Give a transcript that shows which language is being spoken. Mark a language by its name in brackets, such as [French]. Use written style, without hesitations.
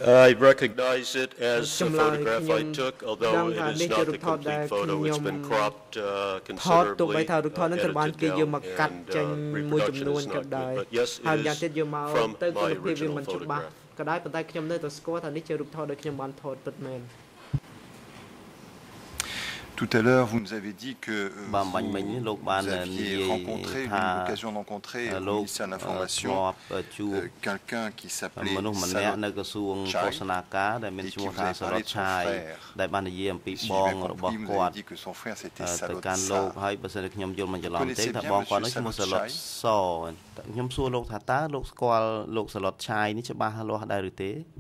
[English] I recognize it as a photograph I took, although it is not the complete photo. It's been cropped considerably, edited down, and reproduction is not good. But yes, it is from my original photograph. [French] Tout à l'heure, vous nous avez dit que vous aviez rencontré, eu l'occasion d'encontrer au ministère de l'Information quelqu'un qui s'appelait Sarot Chai, et qui vous avait parlé de son frère. Si j'ai bien compris, vous avez dit que son frère, c'était Sarot Sa. Vous connaissez bien M. Sarot Chai? [Khmer] ខ្ញុំសួរលោកថាតើលោកស្គាល់លោកសឡុតឆៃនេះច្បាស់លាស់ដែរឬទេ